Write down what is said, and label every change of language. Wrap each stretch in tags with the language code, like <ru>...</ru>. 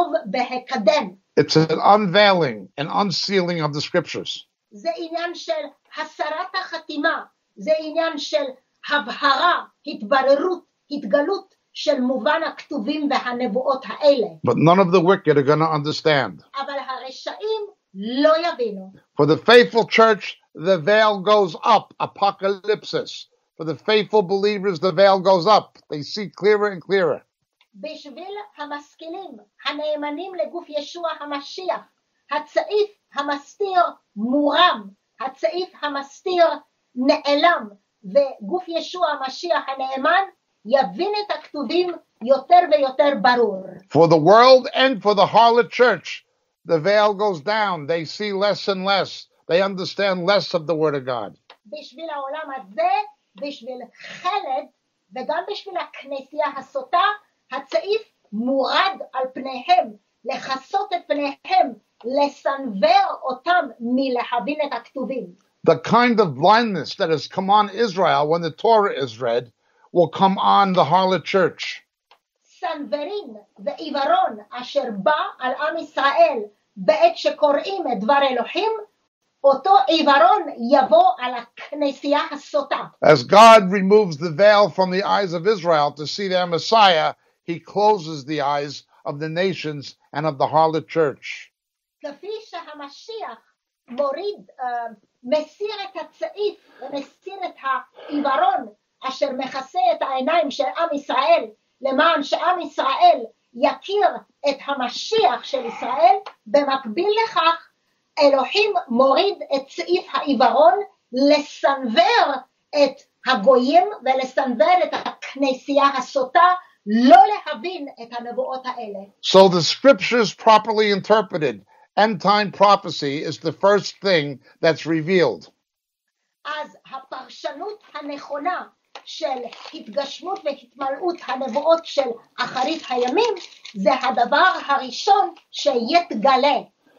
<en>It's an unveiling, an unsealing of the scriptures.</en> <he>זה עניין של הסרת החתימה, זה עניין של הבהרה, התבררות, התגלות של מובן הכתובים והנבואות האלה.</he> <en>But none of the wicked are going to understand.</en> <he>אבל הרשעים לא יבינו.</he> <en>For the faithful church, the veil goes up, apocalypsis. For the faithful believers, the veil goes up. They see clearer and clearer.</en> <he>בשביל המשכילים, הנאמנים לגוף ישוע המשיח, הצעיף המסתיר מורם, הצעיף המסתיר נעלם, וגוף ישוע המשיח הנאמן יבין את הכתובים יותר ויותר ברור.</he> <en>For the world and for the harlot church, the veil goes down, they see less and less, they understand less of the word of God.</en> <he>בשביל העולם הזה, בשביל חלד, וגם בשביל הכנסייה הסוטה, הצעיף מורד על פניהם, לחסות את פניהם, לסנבר אותם מלהבין את הכתובים.</he> <en>The kind of blindness that has come on Israel when the Torah is read will come on the harlot church.</en> <he>סנברים ועיוורון אשר בא על עם ישראל בעת שקוראים את דבר אלוהים, אותו עיוורון יבוא על הכנסייה הסוטה.</he> <en>As God removes the veil from the eyes of Israel to see their Messiah, he closes the eyes of the nations and of the harlot church.</en> <he>כפי שהמשיח מוריד, מסיר את הצעיף ומסיר את העיוורון אשר מכסה את העיניים של עם ישראל, למען שעם ישראל יכיר את המשיח של ישראל, במקביל לכך אלוהים מוריד את צעיף העיוורון לסנבר את הגויים ולסנבר את הכנסייה הסוטה, לא להבין את הנבואות האלה.</he> <en>So the scriptures properly interpreted, end time prophecy is the first thing that's revealed.</en> <he>אז הפרשנות הנכונה של התגשמות והתמלאות הנבואות של אחרית הימים זה הדבר הראשון שיתגלה.</he>